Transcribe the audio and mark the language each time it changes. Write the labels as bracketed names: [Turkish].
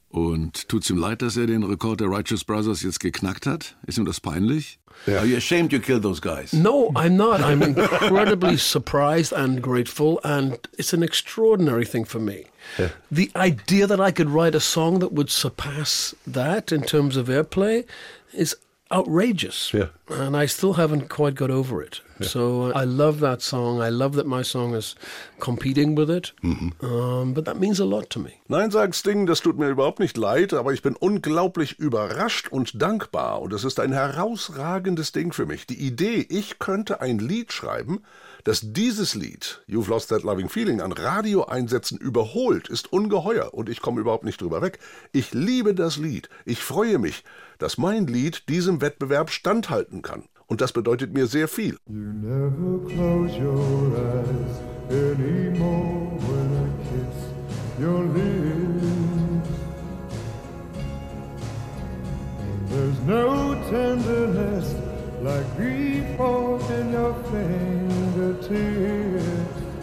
[German] Und tut's ihm leid, dass er den Rekord der Righteous Brothers jetzt geknackt hat? Ist ihm das peinlich? [English] Yeah. Are you ashamed you killed those guys? No, I'm not. I'm incredibly surprised and grateful, and it's an extraordinary thing for me. Yeah. The idea that I could write a song that would surpass that in terms of airplay is outrageous. Yeah. And I still haven't quite got over it. Yeah. So I love that song. I love that my song is competing with it. But that means a lot to me. [German] Nein, sagt Sting, das tut mir überhaupt nicht leid, aber ich bin unglaublich überrascht und dankbar. Und es ist ein herausragendes Ding für mich. Die Idee, ich könnte ein Lied schreiben, dass dieses Lied, You've Lost That Loving Feeling, an Radioeinsätzen überholt, ist ungeheuer. Und ich komme überhaupt nicht drüber weg. Ich liebe das Lied. Ich freue mich, dass mein Lied diesem Wettbewerb standhalten kann. Und das bedeutet mir sehr viel. [English] You never close your eyes anymore when I kiss your lips. There's no tenderness like grief in your fingertips.